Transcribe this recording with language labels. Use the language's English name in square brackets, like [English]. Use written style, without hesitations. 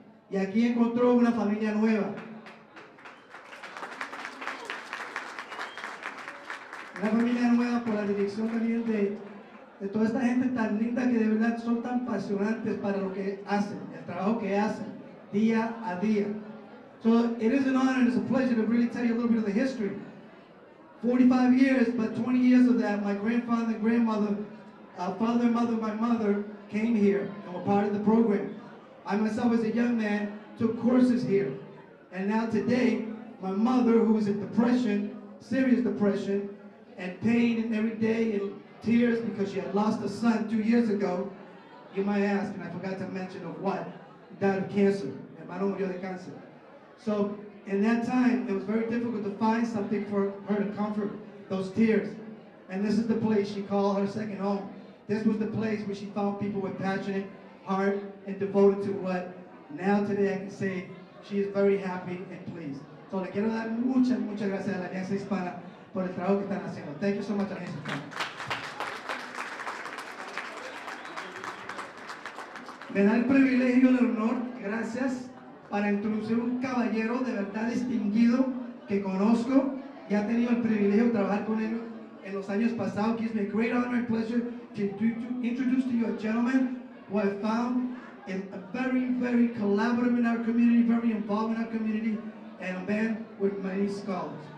[Spanish] Y aquí encontró una familia nueva. Una familia nueva por la dirección también de toda esta gente tan linda que de verdad son tan apasionantes para lo que hacen, el trabajo que hacen, día a día. [English] So it is an honor and it's a pleasure to really tell you a little bit of the history. 45 years, but 20 years of that, my grandfather and grandmother, father and mother, my mother, came here and were part of the program. I myself, as a young man, took courses here. And now today, my mother, who is in depression, serious depression, and pain and every day, and tears because she had lost a son 2 years ago, you might ask, and I forgot to mention of what, died of cancer. [Spanish] Hermano murió de cáncer. [English] So, in that time, it was very difficult to find something for her to comfort those tears. And this is the place she called her second home. This was the place where she found people with passionate heart and devoted to what now today I can say she is very happy and pleased. [Spanish] So le quiero dar muchas, muchas gracias a la Alianza Hispana por el trabajo que están haciendo. [English] Thank you so much, Alianza Hispana. [Spanish] Me da el privilegio y el honor, gracias, para introducir un caballero de verdad distinguido que conozco y ha tenido el privilegio de trabajar con él en los años pasados. [English] Gives me a great honor and pleasure to introduce to you a gentleman who I found is a very, very collaborative in our community, very involved in our community, and a man with many scholars.